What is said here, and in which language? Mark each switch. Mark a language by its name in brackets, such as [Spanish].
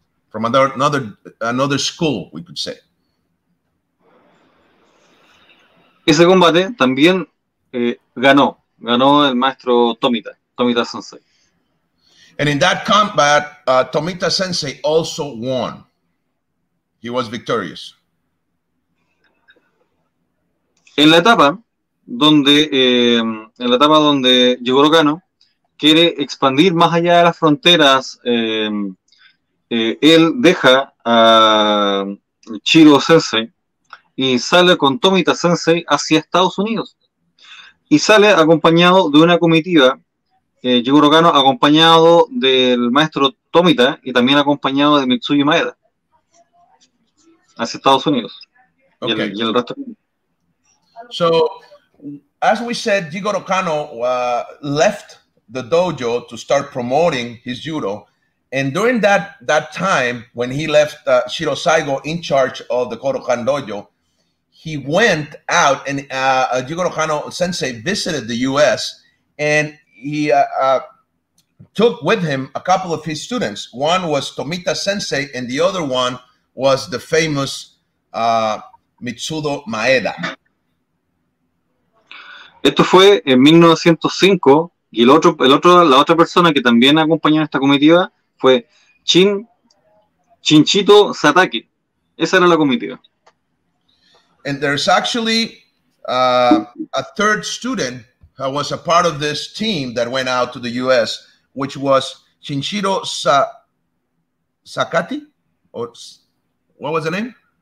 [English] From another school, we could say. [Spanish] Ese combate también ganó el maestro Tomita Sensei. [English] And in that combat, Tomita Sensei also won. He was victorious. [Spanish] En la etapa donde Jigoro Kano quiere expandir más allá de las fronteras, él deja a Chiro Sensei y sale con Tomita Sensei hacia Estados Unidos. Y sale acompañado de una comitiva. Jigoro Kano acompañado del maestro Tomita y también acompañado de Mitsuyo Maeda hacia Estados Unidos. Okay. Y el resto. [English] So, as we said, Jigoro Kano left the dojo to start promoting his judo, and during that time when he left Shiro Saigo in charge of the Kodokan dojo, he went out and Jigoro Kano sensei visited the US, and he took with him a couple of his students. One was Tomita Sensei, and the other one was the famous Mitsudo Maeda. [Spanish] Esto fue en 1905, y la otra persona que también acompañó a esta comitiva fue Chinchito Satake. Esa era la comitiva. [English] And there's actually a third student I was a part of this team that went out to the U.S., which was Chinchiro Sakati, or what was the name?